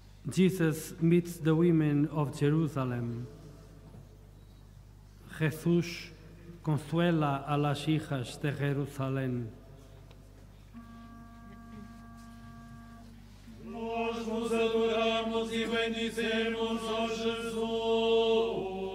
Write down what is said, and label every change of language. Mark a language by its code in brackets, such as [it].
[en] Jesus meets the women of Jerusalem. [es] Jesús consuela a las hijas de Jerusalén. [pt] Nós vos adoramos e bendizemos, ó Jesus.